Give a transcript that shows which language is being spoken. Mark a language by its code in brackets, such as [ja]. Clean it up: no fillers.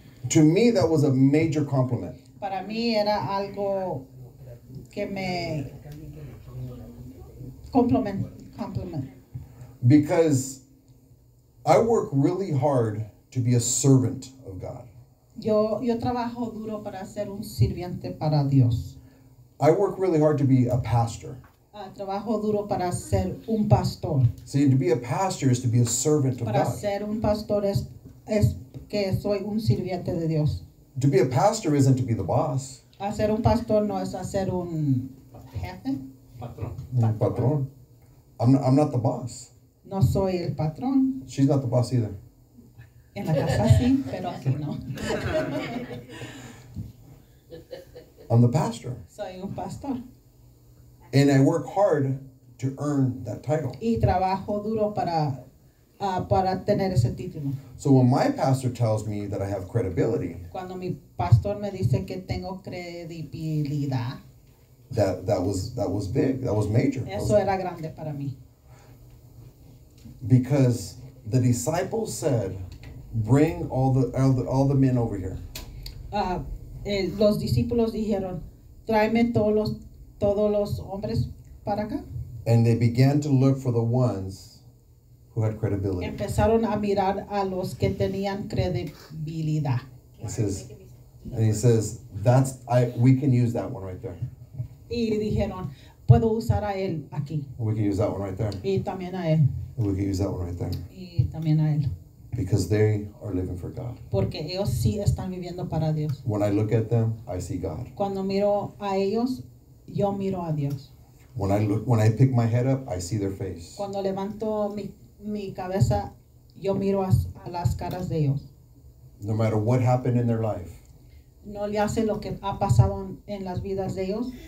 [en] To me, that was a major compliment. [es] Para mí era algo que me [en] compliment. Because I work really hard to be a servant of God. [es] Yo trabajo duro para ser un sirviente para Dios. [en] I work really hard to be a pastor. [es] Trabajo duro para ser un pastor. [en] See, to be a pastor is to be a servant of God. [es] Para ser un pastor es que soy un sirviente de Dios. [en] To be a pastor isn't to be the boss. [es] Hacer un pastor no es hacer un jefe. Patrón. [en] I'm not the boss. [es] No soy el patrón. [en] She's not the boss either. [es] En la casa sí, pero aquí no. [en] I'm the pastor. [es] Soy un pastor. [en] And I work hard to earn that title. [es] Y trabajo duro para para tener ese título. [en] So when my pastor tells me that I have credibility, [es] cuando mi pastor me dice que tengo credibilidad, [en] that was big, that was major. [es] Eso era grande para mí. [en] Because the disciples said, bring all the men over here. [es] Los discípulos dijeron, tráeme todos los hombres para acá. [en] And they began to look for the ones who had credibility. [es] Empezaron a mirar a los que tenían credibilidad. [en] He says, we can use that one right there. [es] Y dijeron, puedo usar a él aquí. [en] We can use that one right there. [es] Y también a él. [en] We can use that one right there. [es] Y también a él. [en] Because they are living for God. [es] Porque ellos sí están viviendo para Dios. [en] When I look at them, I see God. [es] Cuando miro a ellos, yo miro a Dios. [en] When I pick my head up, I see their face. [es] Cuando levanto mi cabeza, yo miro a las caras de ellos. [en] No matter what happened in their life. [es] No le hace lo que ha pasado en las vidas de ellos.